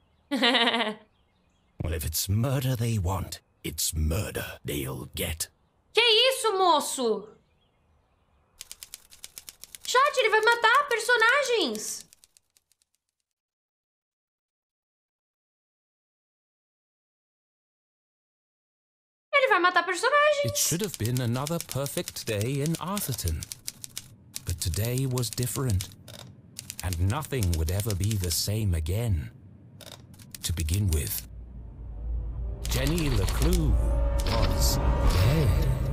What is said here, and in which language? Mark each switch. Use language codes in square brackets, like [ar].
[en] Well, if it's murder they want, it's murder they'll get. [pt] Que isso, moço? Chat, ele vai matar personagens. Ele vai matar personagens. [en] It should have been another perfect day in Arthurton. But today was different. And nothing would ever be the same again. To begin with, Jenny Leclue was dead.